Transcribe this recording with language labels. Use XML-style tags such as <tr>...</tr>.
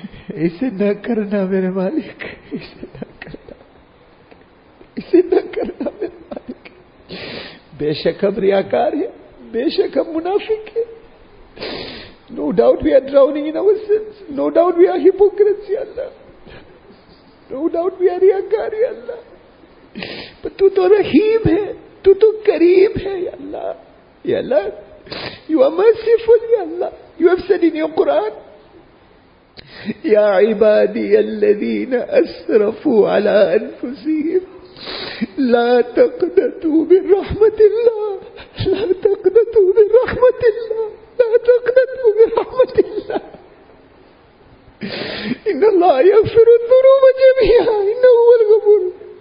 <ur>Isse na karna mere malik, بے شک ہم ریاکار ہیں, بے شک ہم منافق ہیں.</ur> <en>No doubt we are drowning in our sins. No doubt we are hypocrites, Ya Allah. No doubt we are ریاکار, Ya Allah.</en> <ur>But تو تو رحیم ہے, تو تو کریم ہے, Ya Allah.</ur> <en>Ya Allah, you are merciful, Ya Allah.</en> <ar>You have said in your Quran, يا عبادي الذين أسرفوا على أنفسهم لا تقنطوا من رحمة الله, لا تقنطوا من رحمة الله, لا تقنطوا من رحمة الله, إن الله يغفر الذنوب جميعا إنه هو الغفور.</ar>